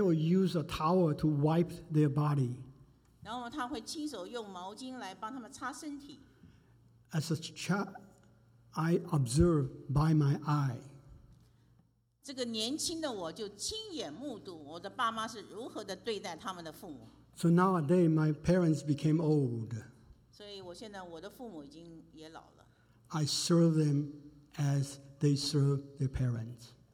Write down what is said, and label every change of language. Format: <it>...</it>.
<en>will use a towel to wipe their body.</en> <zh>然后他会亲手用毛巾来帮他们擦身体。</zh> <en>As a child, I observe by my eye.</en> <zh>这个年轻的我就亲眼目睹我的爸妈是如何地对待他们的父母。</zh> <en>So nowadays, my parents became old.</en> <zh>所以我现在我的父母已经也老了。</zh> <en>I serve them as they serve their parents.</en>